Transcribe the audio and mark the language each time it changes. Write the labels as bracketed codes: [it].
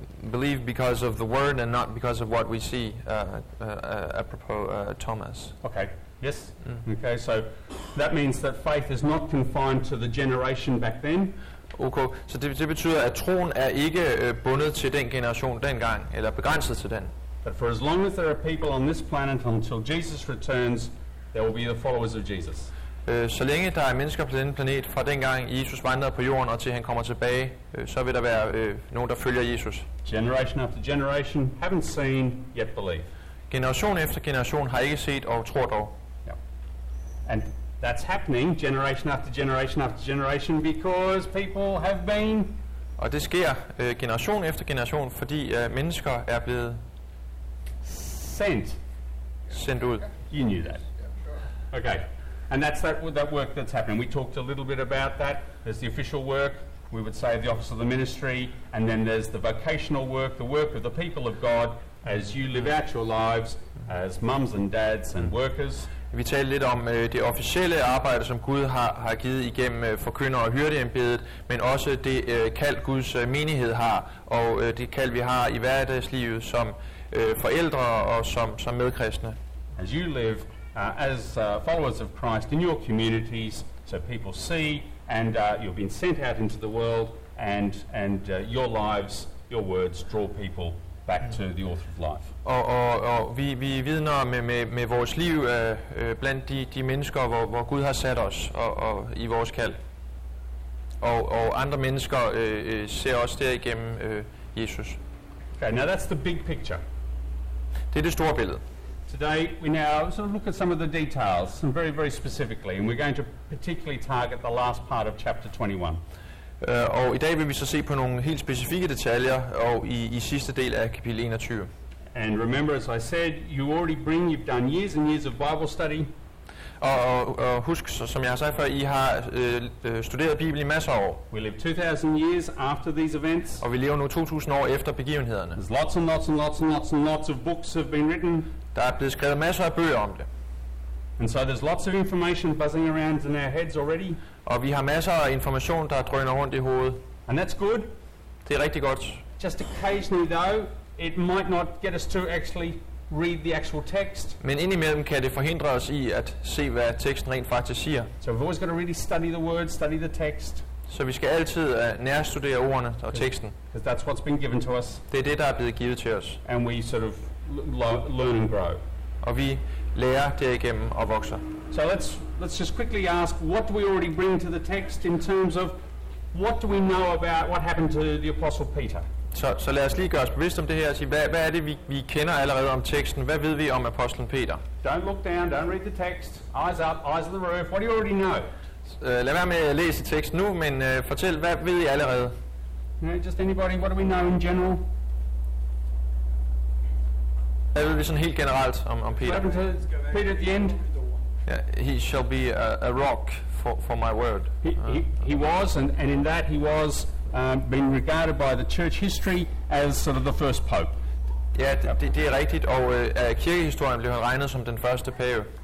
[en] Believe because of the word and not because of what we see apropos Thomas. Okay, yes. Mm. Okay, so that means that faith is not confined to the generation back then. [da] Okay, så det betyder at troen er ikke bundet til den generation dengang eller begrænset til den. [en] But for as long as there are people on this planet until Jesus returns, there will be the followers of Jesus. [da] Så længe der er mennesker på denne planet, fra dengang Jesus vandrede på jorden og til han kommer tilbage, så vil der være nogen, der følger Jesus. [en] Generation after generation haven't seen yet believe. [da] Generation efter generation har ikke set og tror dog. [en] Yep. And that's happening generation after generation after generation because people have been. [da] Og det sker generation efter generation, fordi mennesker er blevet sendt ud. [en] You knew that. Okay. And that's that work that's happening. We talked a little bit about that. There's the official work, we would say the office of the ministry, and then there's the vocational work, the work of the people of God, as you live out your lives as mums and dads and workers. [da] Vi talte lidt om det officielle arbejde, som Gud har givet igennem forkyndere og hyrdeembedet, men også det kald Guds menighed har, og det kald vi har i hverdagslivet som forældre og som medkristne. [en] As you live as followers of Christ in your communities, so people see and you've been sent out into the world, and your lives, your words draw people back to the author of life. [da] Og vi vidner med vores liv blandt de mennesker, hvor Gud har sat os og i vores kald. Og andre mennesker ser også derigennem Jesus. [en] Okay, now that's the big picture. [da] Det er det store billede. [en] Today we now sort of look at some of the details, some very, very specifically, and we're going to particularly target the last part of chapter 21. [da] Og i dag vil vi så se på nogle helt specifikke detaljer og i sidste del af kapitel 21. [en] And remember, as I said, you already bring, you've done years and years of Bible study. [da] Og husk, som jeg har sagt før, I har studeret Bibelen i masser af år. [en] We live 2,000 years after these events. [da] Og vi lever nu 2,000 år efter begivenhederne. [en] There's lots and lots and lots and lots and lots of books have been written. [da] Der er blevet skrevet masser af bøger om det. [en] And so there's lots of information buzzing around in our heads already. [da] Og vi har masser af information, der drøner rundt i hovedet. [en] And that's good. [da] Det er rigtig godt. [en] Just occasionally though, it might not get us to actually read the actual text. [da] Men indimellem kan det forhindre os i at se, hvad teksten rent faktisk siger. [en] So we've always got to really study the word, study the text. [da] Så vi skal altid nærstudere ordene og teksten. [en] Because that's what's been given to us. [da] Det er det, der er blevet givet til os. [en] And we sort of learn and grow. [da] Og vi lærer derigennem og vokser. [en] So let's just quickly ask, what do we already bring to the text in terms of what do we know about what happened to the apostle Peter? [da] Så lad os lige gøre os bevidst om det her og sige, hvad er det vi kender allerede om teksten? Hvad ved vi om apostlen Peter? [en] Don't look down, don't read the text. Eyes up, eyes on the roof. What do you already know? [da] Lad være med at læse teksten nu, men fortæl, hvad ved I allerede? [en] No, just anybody, what do we know in general? [da] Hvad ved vi sådan helt generelt om Peter? [en] Peter at the end. Yeah, he shall be a rock for my word. He was, and in that he was being regarded by the church history as sort of the first pope. [da] Yeah, det er rigtigt, og kirkehistorien blev han regnet som den første pave.